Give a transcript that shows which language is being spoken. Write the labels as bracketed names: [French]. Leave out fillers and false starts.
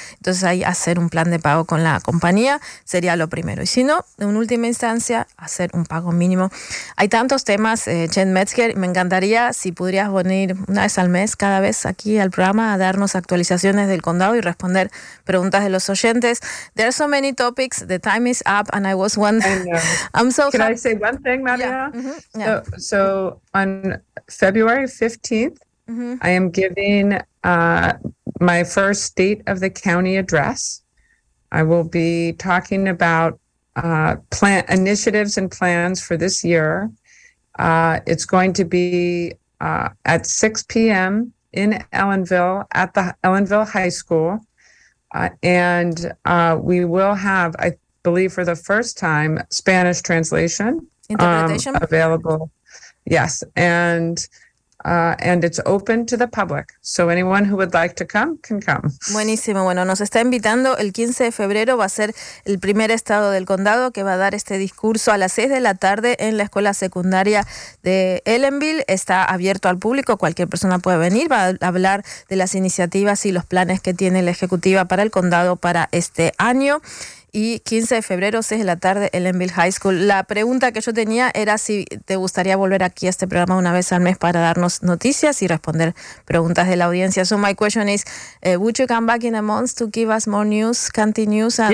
[Spanish] Entonces ahí hacer un plan de pago con la compañía sería lo primero. Y si no, en última instancia, hacer un pago mínimo. Hay tantos temas, Jen Metzger, me encantaría si pudieras venir una vez al mes, cada vez aquí al programa, a darnos actualizaciones del condado y responder preguntas de los oyentes. [English] There are so many topics, the time is up, and I was wondering. I'm so Can I say one thing, Maria? Yeah. Mm-hmm. So on February 15th, mm-hmm. I am giving my first State of the County address. I will be talking about plan initiatives and plans for this year. It's going to be at 6 p.m. in Ellenville at the Ellenville High School. And we will have, I believe for the first time, Spanish translation. Interpretation. Available, yes, and it's open to the public, so anyone who would like to come can come. [Spanish] Buenísimo. Bueno, nos está invitando el 15 de febrero, va a ser el primer estado del condado que va a dar este discurso a las 6 de la tarde en la escuela secundaria de Ellenville. Está abierto al público, cualquier persona puede venir, va a hablar de las iniciativas y los planes que tiene la ejecutiva para el condado para este año. Y 15 de febrero, 6 de la tarde, Ellenville High School. La pregunta que yo tenía era si te gustaría volver aquí a este programa una vez al mes para darnos noticias y responder preguntas de la audiencia. [English] So my question is, would you come back in a month to give us more news, county news, and